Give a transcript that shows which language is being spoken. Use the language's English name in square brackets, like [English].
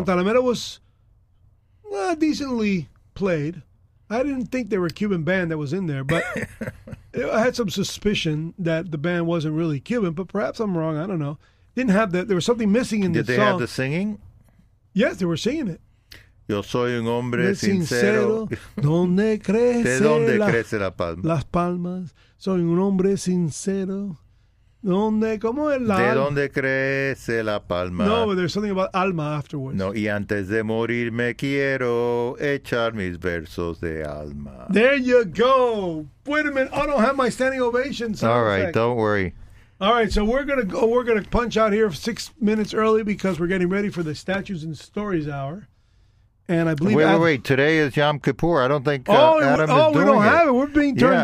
[English] Guantanamera was decently played. I didn't think there were a Cuban band that was in there, but I had some suspicion that the band wasn't really Cuban, but perhaps I'm wrong. I don't know. Didn't have that. There was something missing in the song. Did they have the singing? Yes, they were singing it. [Spanish] Yo soy un hombre sincero. ¿Dónde crece, ¿De dónde crece la palma? Las palmas. Soy un hombre sincero. ¿Dónde, cómo es la ¿De dónde crece la palma? [English] No, but there's something about alma afterwards. [Spanish] No, y antes de morir me quiero echar mis versos de alma. [English] There you go. Wait a minute. I don't have my standing ovation. So all right, don't worry. All right, so we're going to go. We're going to punch out here 6 minutes early because we're getting ready for the Statues and Stories Hour. And I believe Wait. Today is Yom Kippur. I don't think Adam is doing it. Oh, we don't it. Have it. We're being turned